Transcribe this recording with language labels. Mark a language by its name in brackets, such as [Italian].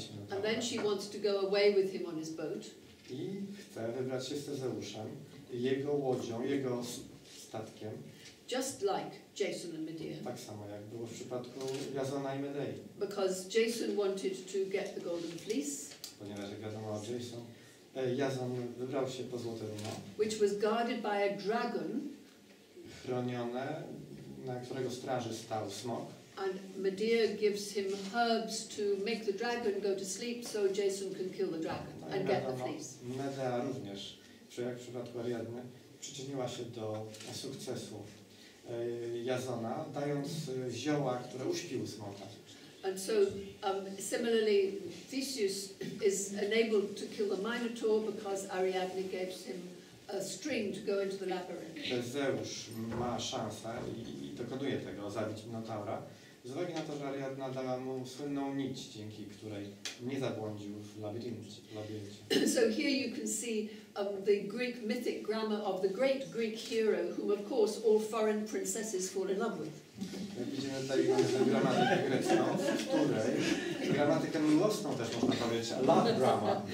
[English] And then she wants to go away with him on his boat. [Polish] I chce wybrać się z Tezeuszem jego łodzią, jego statkiem. [English] Just like Jason and Medea. [Polish] Tak samo jak było w przypadku Jasona i Medei. [English] Because Jason wanted to get the golden fleece. [Polish] Ponieważ jak wiadomo, Jason wybrał się po złote wino. [English] Which was guarded by a dragon. [Polish] Chronione, na którego straży stał smok. [English] And Medea gives him herbs to make the dragon go to sleep, so Jason can kill the dragon no, and get the fleece. [Polish] Medea również, jak w przypadku Ariadny, przyczyniła się do sukcesu Jasona, dając zioła, które uśpiły smoka. [English] And so, similarly, Theseus is enabled to kill the Minotaur because Ariadne gave him a string to go into the labyrinth. [Polish] Zeus ma szansę i dokonuje tego, zabić Minotaura. Z uwagi na to, że Ariadna dała mu słynną nić, dzięki której nie zabłądził w labiryncie. [English] So here you can see the Greek mythic grammar of the great Greek hero, whom of course all foreign princesses fall in love with. [Polish] Widzimy tutaj gramatykę grecką, w której gramatykę miłosną też można powiedzieć, [English] love grammar.